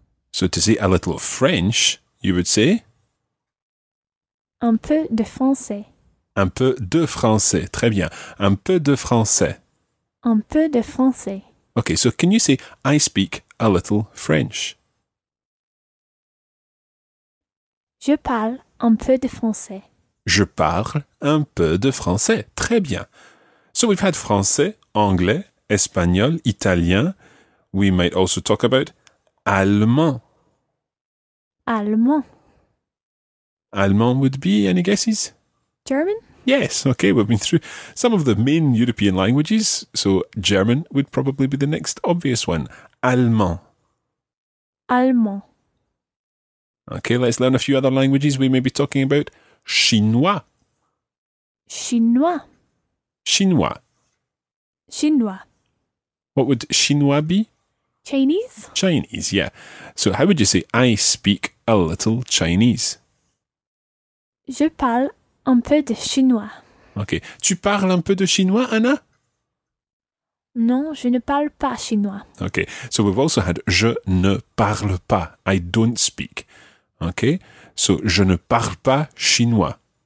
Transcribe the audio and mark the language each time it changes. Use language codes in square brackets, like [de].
[en] So to say a little French, you would say? [fr] Un peu de français. Un peu de français. Très bien. Un peu de français. Un peu de français. [en] Okay, so can you say, I speak a little French? [fr] Je parle un peu de français. Je parle un peu de français. Très bien. [en] So we've had français, anglais, espagnol, italien. We might also talk about allemand. [fr] Allemand. [en] Allemand would be, any guesses? German? Yes, okay, we've been through some of the main European languages, so German would probably be the next obvious one. [fr] Allemand. Allemand. [en] Okay, let's learn a few other languages. We may be talking about Chinois. [fr] Chinois. Chinois. Chinois. [en] What would Chinois be? Chinese. Chinese, yeah. So how would you say, I speak a little Chinese? [fr] Je parle un peu de chinois. Ok. Tu parles un peu de chinois, Anna? Non, je ne parle pas chinois. [en] Ok. So we've also had [fr] je ne parle pas. [en] I don't speak. Ok. So [fr] je ne parle pas chinois.